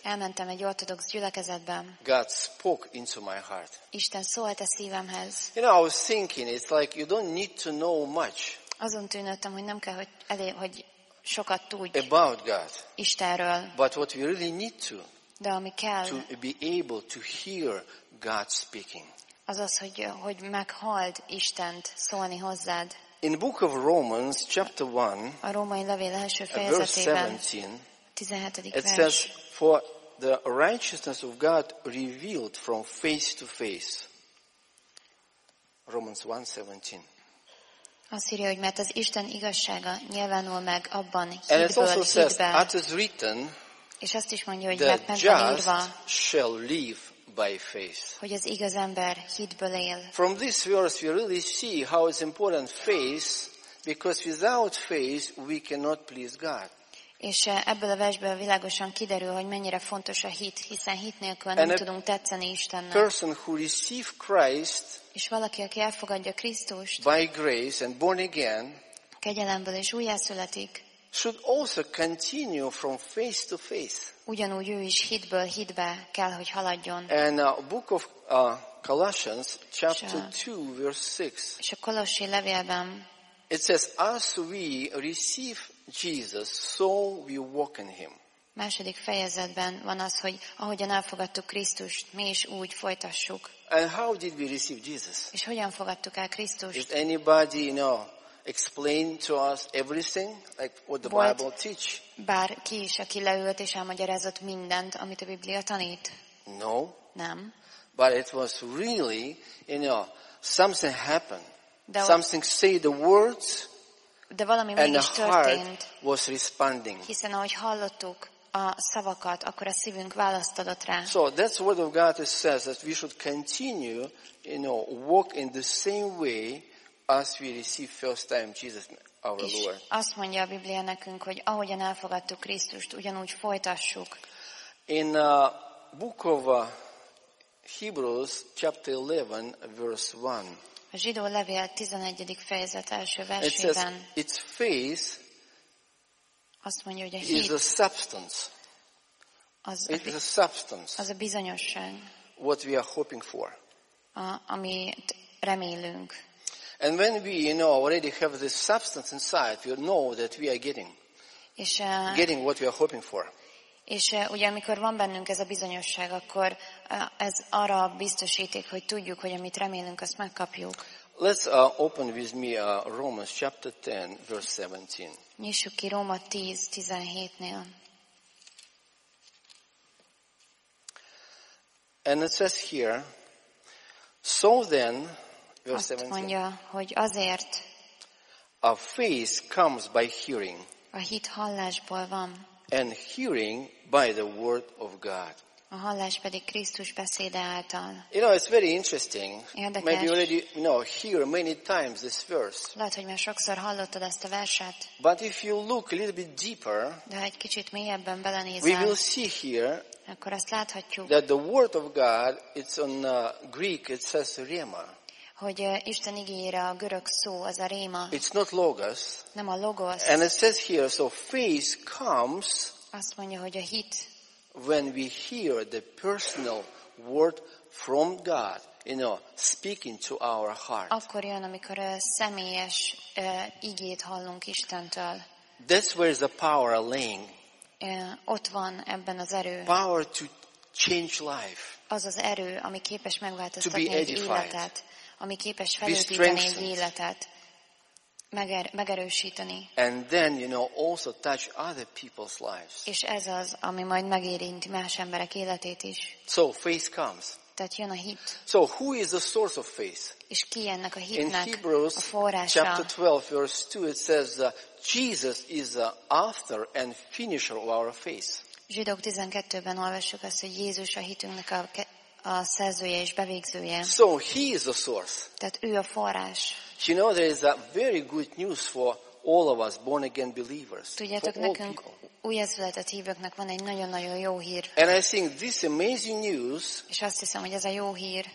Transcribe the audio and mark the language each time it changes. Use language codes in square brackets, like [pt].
[hu] Elmentem egy ortodox gyülekezetbe. [en] God spoke into my heart. [hu] Isten szólt a szívemhez. [en] You know, I was thinking, it's like you don't need to know much. [hu] Azon tűnődtem, hogy nem kell, hogy sokat tudj. [en] About God. [hu] Istenről. [en] But what we really need to. [hu] De ami kell. [en] To be able to hear God speaking. [hu] Azaz, hogy meghalld Istent szólni hozzád. [en] In the book of Romans, chapter 1, [hu] a római levél első fejezetében, [en] verse 17, it says, for the righteousness of God revealed from face to face. Romans 1:17. [hu] Azt írja, hogy mert az Isten igazsága nyilvánul meg abban, hídből, [en] and it also [hu] hídben, [en] says, as is written, [hu] és azt is mondja, hogy [en] the just shall live by faith. [hu] Hogy az igaz ember hitből él. [en] From this verse we really see how it's important faith, because without faith we cannot please God. [hu] És ebből a versből világosan kiderül, hogy mennyire fontos a hit, hiszen hit nélkül nem tudunk tetszeni Istennek. [en] Person who receive Christ, [hu] és valaki, aki elfogadja Krisztust, [en] by grace and born again, [hu] kegyelemből és újjászületik, [en] should also continue from faith to faith. [hu] Ugyanúgy ő is hitből hitbe kell, hogy haladjon. [en] And book of Colossians chapter 2 verse 6. [hu] És a Kolossi levélben. [en] It says, as we receive Jesus, so we walk in him. [hu] Második fejezetben van az, hogy ahogyan elfogadtuk Krisztust, mi is úgy folytassuk. [en] And how did we receive Jesus? [hu] És hogyan fogadtuk el Krisztust? [en] Did anybody know? Explain to us everything, like what the Bible teach. [hu] Bárki is, aki leült és elmagyarázott mindent, amit a Biblia tanít. [en] No. [hu] Nem. [en] But it was really, you know, something happened. Something say the words. [hu] De valami mégis történt. [en] Was responding. [hu] Hiszen ahogy hallottuk a szavakat, akkor a szívünk választ adott rá. [en] So that's what the word of God says, that we should continue, you know, walk in the same way as we receive first time Jesus our Lord. [hu] És azt mondja a Biblia nekünk, hogy ahogyan elfogadtuk Krisztust, ugyanúgy folytassuk. [en] In book of Hebrews chapter 11 verse 1. [hu] A zsidó levél 11. fejezet első versében. [en] It's faith. [hu] Azt mondja, hogy a hit. [en] Is a substance. It's a substance. [hu] Az a bizonyosság. [en] What we are hoping for. [hu] Amit remélünk. [en] And when we, you know, already have this substance inside, we know that we are getting what we are hoping for. [hu] És ugye amikor van bennünk ez a bizonyosság, akkor ez arra biztosíték, hogy tudjuk, hogy amit remélünk, azt megkapjuk. [en] Let's open with me Romans chapter 10, verse 17. [hu] Nyissuk ki Róma 10:17-nél. [en] And it says here, so then, [hu] azt mondja, hogy azért [en] a faith comes by hearing, [hu] a hit hallásból van, [en] and hearing by the word of God. [hu] A hallás pedig Krisztus beszéde által. [en] You know, it's very interesting. [hu] Érdekes. [en] Maybe you already know here many times this verse. [hu] Lehet, hogy már sokszor hallottad ezt a verset. [en] But if you look a little bit deeper, [hu] de ha egy kicsit mélyebben belenézel, [en] we will see here, [hu] akkor azt láthatjuk, [en] that the word of God, it's on Greek, it says rhema. [hu] Hogy Isten igényére a görög szó, az a réma. [en] It's not logos. [hu] Nem a logos. [en] And it says here, so faith comes. [hu] Azt mondja, hogy a hit. [en] When we hear the personal word from God, you know, speaking to our heart. [hu] Akkor jön, amikor személyes igét hallunk Istentől. [en] That's where the power lying. [hu] Ott van ebben az erő. [en] Power to change life. [hu] Az az erő, ami képes megváltoztatni egy életet. Ami képes felépíteni egy életet, megerősíteni. [en] And then, you know, also touch other people's lives. [hu] És ez az, ami majd megérinti más emberek életét is. [en] So faith comes. [hu] Tehát jön a hit. [en] So who is the source of faith? [hu] És ki ennek a hitnek a forrása? [en] In Hebrews chapter 12 verse 2 it says Jesus is the author and finisher of our faith. [hu] Zsidók 12-ben olvassuk azt, hogy Jézus a hitünknek a szerzője és bevégzője. [en] So he is the source. [hu] Tehát ő a forrás. [en] You know, there is a very good news for all of us born again believers. [hu] Tudjátok, nekünk újjászületett hívőknek van egy nagyon-nagyon jó hír. [en] And I think this amazing news. [hu] És azt hiszem, hogy ez a jó hír.